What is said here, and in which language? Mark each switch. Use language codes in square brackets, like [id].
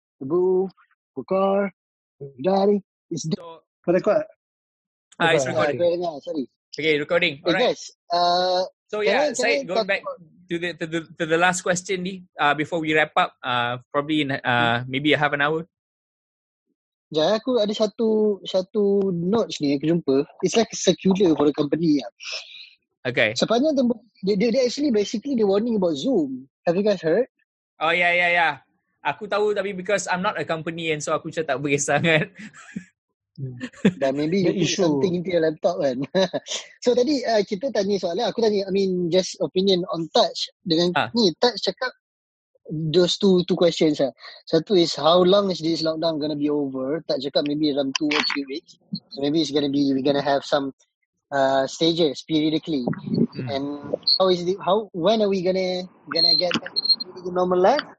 [en] Abu Bakar Baghdadi is dead. [ms] So, kau rekod? [en] It's recording. Okay, recording. All right. So, going back to the last question ni, before we wrap up, probably in maybe a half an hour. [ms] Jaya, aku ada satu notes ni aku jumpa. [en] It's like a circular for the company. Okay. [ms] Sepanjang tempoh, [en] they actually basically they warning about Zoom. Have you guys heard? Oh yeah. [ms] Aku tahu tapi [en] because I'm not a company and so [ms] aku cakap tak berkesan sangat. [en] Dan maybe you put something into your laptop kan. [ms] So tadi kita tanya soalan. Aku tanya, [en] I mean just opinion on Touch dengan ni. Touch cakap those two questions lah. Satu is how long is this lockdown gonna be over? Touch cakap maybe around 2 or 3 weeks. So maybe it's gonna be we're gonna have some stages periodically, and how is it? How when are we gonna get the normal life?